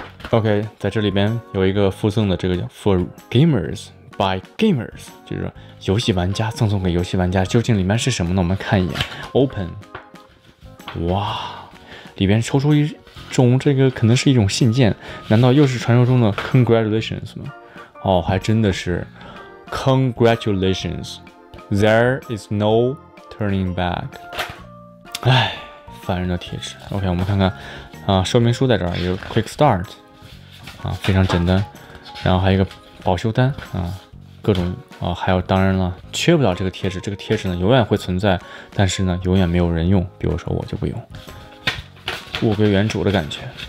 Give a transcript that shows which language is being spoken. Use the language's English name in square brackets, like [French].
[Chinese] OK， 在这里边有一个附赠的，这个叫 For Gamers by Gamers， 就是游戏玩家赠送给游戏玩家。究竟里面是什么呢？我们看一眼 ，Open， 哇，里边抽出一种，这个可能是一种信件，难道又是传说中的 Congratulations 吗？哦，还真的是 [English] Congratulations， There is no turning back。 [Chinese] 哎，烦人的贴纸。 OK， 我们看看啊，说明书在这儿，有 Quick Start。啊，非常简单，然后还有一个保修单啊，各种啊，还有当然了，缺不了这个贴纸，这个贴纸呢永远会存在，但是呢永远没有人用，比如说我就不用，物归原主的感觉。